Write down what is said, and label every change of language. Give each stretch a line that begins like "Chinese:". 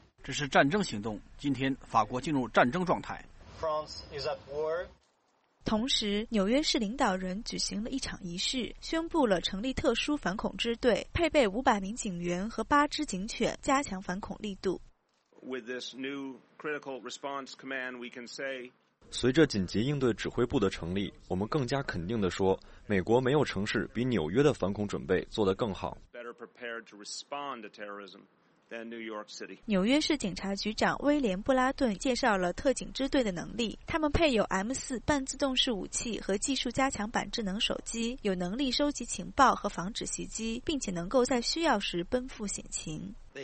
Chinese: 这是战争行动，今天法国进入战争状态。
English: France is at war.
Chinese: 同时，纽约市领导人举行了一场仪式，宣布了成立特殊反恐支队，配备500名警员和8只警犬，加强反恐力度。
English: With this new critical response command, we can say,
Chinese: 随着紧急应对指挥部的成立，我们更加肯定地说，美国没有城市比纽约的反恐准备做得更好。
English: Better prepared to respond to terrorism. Than New York City.
Chinese: 纽约市警察局长威廉·布拉顿介绍了特警支队的能力，他们配有 M4 半自动式武器和技术加强版智能手机，有能力收集情报和防止袭击，并且能够在需要时奔赴险情。